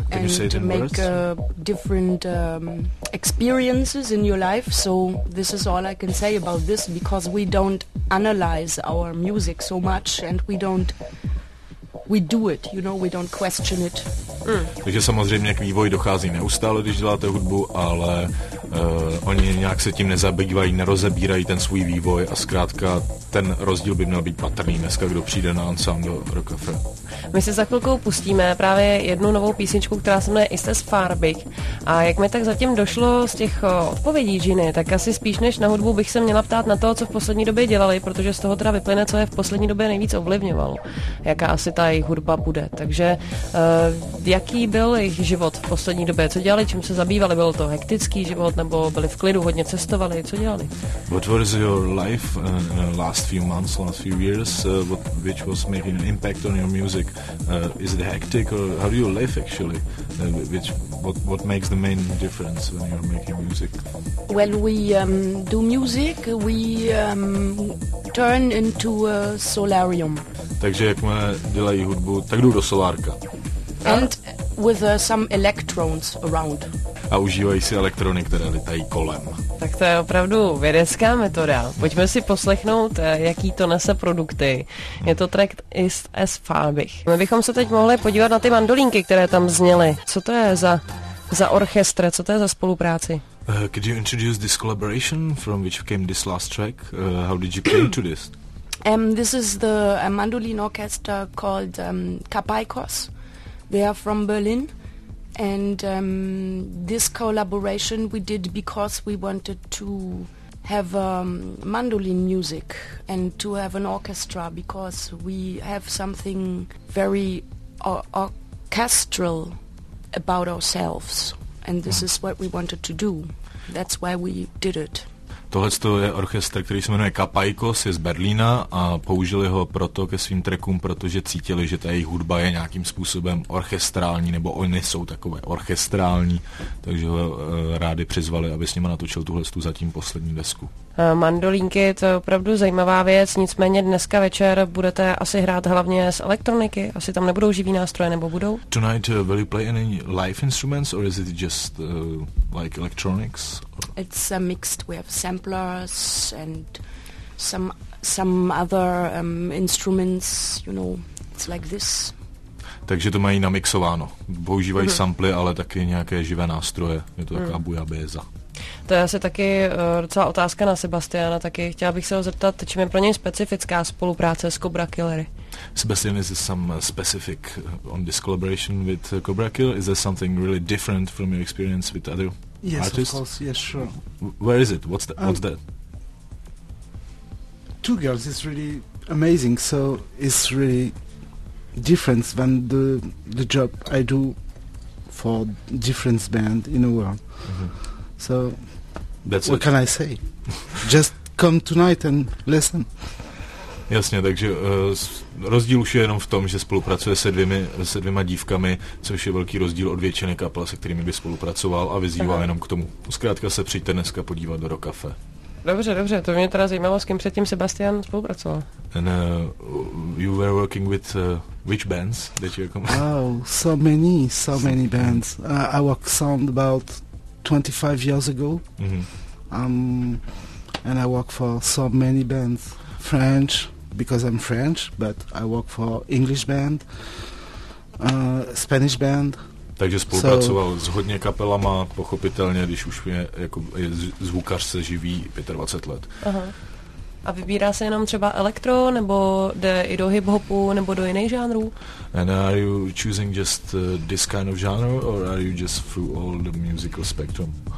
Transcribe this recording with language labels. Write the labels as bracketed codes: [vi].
[en] Can and you make different experiences in your life. So this is all I can say about this, because we don't analyze our music so much and we do it, you know, we don't question it. [cs] Takže samozřejmě k vývoji dochází neustále, když děláte hudbu, ale oni nějak se tím nezabývají, nerozebírají ten svůj vývoj a zkrátka ten rozdíl by měl být patrný dneska, kdo přijde na Ensemble do Rockafé. My si za chvilkou pustíme právě jednu novou písničku, která se jmenuje Istes Farbig. A jak mi tak zatím došlo z těch odpovědí Ginny, tak asi spíš než na hudbu bych se měla ptát na to, co v poslední době dělali, protože z toho teda vyplyne, co je v poslední době nejvíc ovlivňovalo, jaká asi ta jejich hudba bude. Takže jaký byl jejich život v poslední době? Co dělali, čím se zabývali? Byl to hektický život, nebo byli v klidu, hodně cestovali? Co dělali? [en] What was your life in the last few months, last few years, which was making an impact on your music? Is it hectic or how do you live actually? What makes the main difference when you're making music? When we do music, we turn into a solarium. [cs] Takže jak mě dělají hudbu, tak jdu do solárka. [en] And with some electrons around. [cs] A užívají si elektrony, které letají kolem. Tak to je opravdu vědecká metoda. Pojďme si poslechnout, jaký to nese produkty. Je to track Ist es Farbig. My bychom se teď mohli podívat na ty mandolínky, které tam zněly. Co to je za orchestr, co to je za spolupráci? [en] Could you introduce this collaboration, from which came this last track? How did you play to this? This is the mandolin orchestra called Kapaikos. They are from Berlin. And this collaboration we did because we wanted to have mandolin music and to have an orchestra, because we have something very orchestral about ourselves, and this is what we wanted to do. That's why we did it. [cs] Tohle je orchestr, který se jmenuje Kapaikos, je z Berlína a použili ho proto ke svým trackům, protože cítili, že ta jejich hudba je nějakým způsobem orchestrální, nebo oni jsou takové orchestrální, takže ho rádi přizvali, aby s nima natočil tuhle zatím poslední desku. Mandolínky, to je opravdu zajímavá věc, nicméně dneska večer budete asi hrát hlavně z elektroniky, asi tam nebudou živý nástroje, nebo budou? [en] Tonight will you play any live instruments or is it just like electronics? It's mixed, we have samplers and some some other instruments, you know, it's like this. [cs] Takže to mají namixováno. Používají samply, ale taky nějaké živé nástroje. Je to taková bujabéza. To je asi taky docela otázka na Sebastiana taky. Chtěla bych se ho zeptat, čím je pro něj specifická spolupráce s Cobra Killery. [en] Sebastian, is there some specific on this collaboration with Cobra Kill? Is there something really different from your experience with other yes, artists? Yes, of course, yes, sure. Where is it? What's that? What's that? Two Girls is really amazing, so it's really different than the job I do for different band in the world. Mm-hmm. So, that's what it. Can I say? Just come tonight and listen. [cs] Jasně, takže rozdíl už je jenom v tom, že spolupracuje se dvěma dívkami, což je velký rozdíl od většiny kapel, se kterými by spolupracoval a vyzývá jenom k tomu. Zkrátka se přijďte dneska podívat do Rock Cafe. Dobře, dobře, to mě teda zajímalo, s kým předtím Sebastian spolupracoval. [en] And you were working with which bands did you come? Oh, so many bands. I worked sound about 25 years ago. Mm-hmm. And I worked for so many bands. French, because I'm French, but I work for English band, Spanish band. [cs] Takže spolupracoval s hodně kapelama, pochopitelně, když už je, jako, je zvukař se živí 25 let. Aha. A vybírá se jenom třeba elektro, nebo jde i do hip-hopu, nebo do jiných žánrů? [en] And are you choosing just this kind of genre, or are you just through all the musical spectrum?